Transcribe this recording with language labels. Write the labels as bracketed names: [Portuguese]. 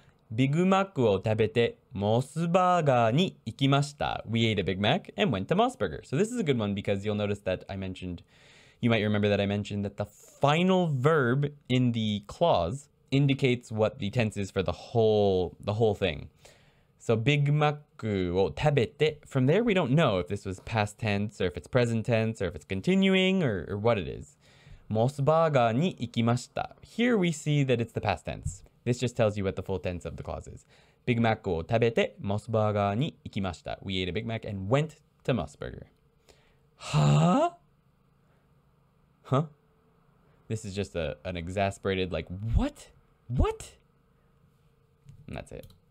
[Japanese] ビッグマックを食べてモスバーガーに行きました。 [English] We ate a Big Mac and went to Mos Burger. So this is a good one because you'll notice that I mentioned, you might remember that I mentioned that the final verb in the clause indicates what the tense is for the whole thing. So Big Mac [Japanese] を食べて, [English] from there we don't know if this was past tense or if it's present tense or if it's continuing or what it is. [Japanese] モスバーガーに行きました. [English] Here we see that it's the past tense. This just tells you what the full tense of the clause is. [Japanese] Big Mac を食べてモスバーガーに行きました。 [English] We ate a Big Mac and went to Mos Burger. [Japanese] はぁ? [English] Huh? This is just an exasperated like, what? What? And that's it.